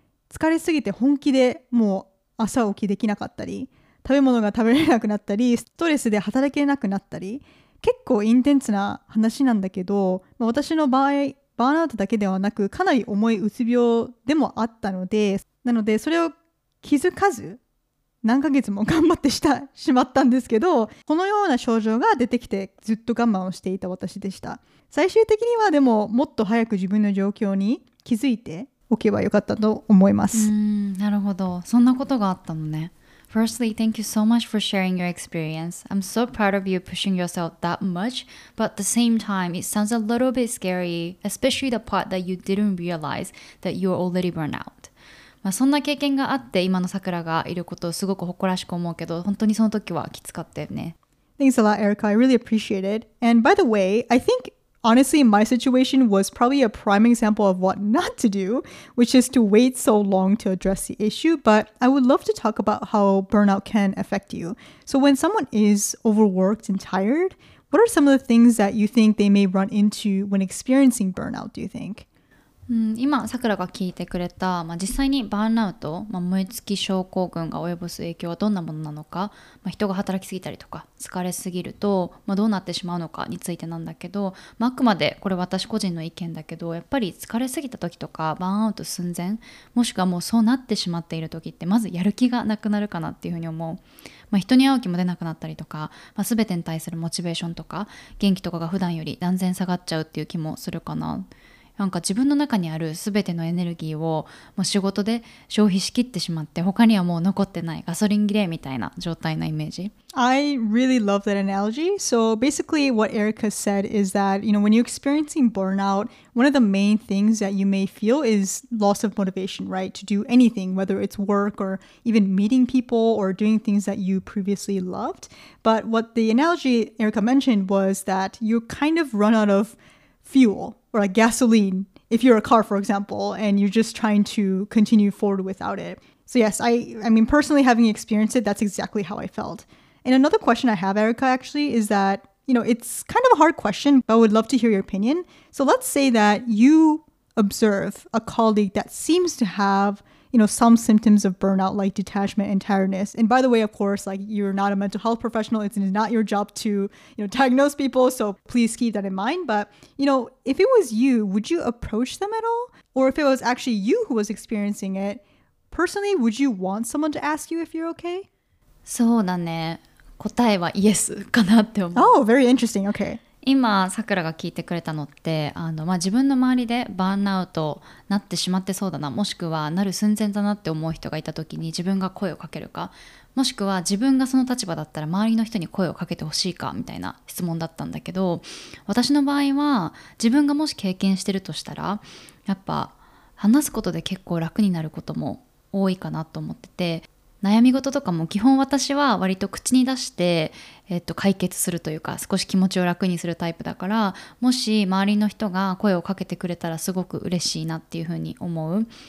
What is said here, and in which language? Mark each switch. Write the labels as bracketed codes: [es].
[ja] 疲れすぎて本気でもう朝起きできなかったり、食べ物が食べれなくなったり、ストレスで働けなくなったり、結構インテンツな話なんだけど、まあ、私の場合バーンアウトだけではなく、かなり重いうつ病でもあったので、なのでそれを気づかず、何ヶ月も頑張ってしまったんですけど、このような症状が出てきてずっと我慢をしていた私でした。最終的にはでも、もっと早く自分の状況に気づいておけばよかったと思います。なるほど。そんなことがあったのね。 [en] Firstly, thank you so much for sharing your experience. I'm so proud of you pushing yourself that much, but at the same time, it sounds a little bit scary, especially the part that you didn't realize that you're already burned out. [ja] まあ、そんな経験があって今のさくらがいることをすごく誇らしく思うけど、本当にその時はきつかったよね。 [en] Thanks a lot, Erika. I really appreciate it. And by the way, I think Honestly, my situation was probably a prime example of what not to do, which is to wait so long to address the issue. But I would love to talk about how burnout can affect you. So when someone is overworked and tired, what are some of the things that you think they may run into when experiencing burnout, do you think? [ja] 今さくらが聞いてくれた、実際にバーンアウト、燃え尽き症候群が及ぼす影響はどんなものなのか、人が働きすぎたりとか疲れすぎると、どうなってしまうのかについてなんだけど、あくまでこれ私個人の意見だけど、やっぱり疲れすぎた時とかバーンアウト寸前、もしくはもうそうなってしまっている時って、まずやる気がなくなるかなっていうふうに思う。人に会う気も出なくなったりとか、全てに対するモチベーションとか元気とかが普段より断然下がっちゃうっていう気もするかな。なんか自分の中にある全てのエネルギーをもう仕事で消費しきってしまって、他にはもう残ってないガソリン切れみたいな状態のイメージ。 [en] I really love that analogy. So basically what Erika said is that, you know, when you're experiencing burnout, one of the main things that you may feel is loss of motivation, right? To do anything, whether it's work or even meeting people or doing things that you previously loved. But what the analogy Erika mentioned was that you kind of run out of fuel. Or like gasoline, if you're a car, for example, and you're just trying to continue forward without it. So yes, I mean, personally having experienced it, that's exactly how I felt. And another question I have, Erika, actually, is that, you know, it's kind of a hard question, but I would love to hear your opinion. So let's say that you observe a colleague that seems to have, you know, some symptoms of burnout, like detachment and tiredness. And by the way, of course, like you're not a mental health professional. It's not your job to, you know, diagnose people. So please keep that in mind. But, you know, if it was you, would you approach them at all? Or if it was actually you who was experiencing it, personally, would you want someone to ask you if you're okay? [ja] そうだね。答えはイエスかなって思う。 [en] Oh, very interesting. Okay. [ja] 今さくらが聞いてくれたのって、自分の周りでバーンアウトなってしまってそうだな、もしくはなる寸前だなって思う人がいた時に自分が声をかけるか、もしくは自分がその立場だったら周りの人に声をかけてほしいかみたいな質問だったんだけど、私の場合は自分がもし経験してるとしたら、やっぱ話すことで結構楽になることも多いかなと思ってて、悩み事とかも基本私は割と口に出して、解決するというか、少し気持ちを楽にするタイプだから、もし周りの人が声をかけてくれたらすごく嬉しいなっていうふうに思う。